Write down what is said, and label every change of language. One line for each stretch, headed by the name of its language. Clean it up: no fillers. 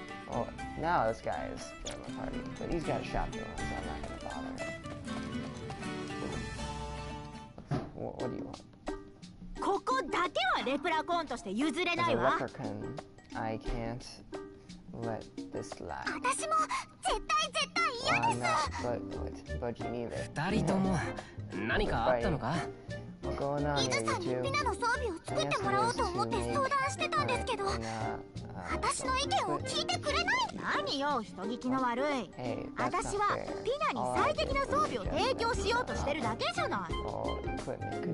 English: Oh, now this guy is part of my party, but he's got a shotgun, so I'm not going to bother him. What do you want?
Japanese: ここだけはレプラコーンとして譲れないわ。
English: As a wrecker can, I can't let this slide.
Japanese: 私も絶対絶対嫌です。
English: Well, I'm not, but you need it.
Japanese: 二人とも何かあったのか？
English: What's going on here, you two?
Japanese: リナの装備を作ってもらおうと思って相談してたんですけど、私の意見を聞いてくれない。何よ、人聞きの悪い。私はピナに最適な装備を提供しようとしてるだけじゃない。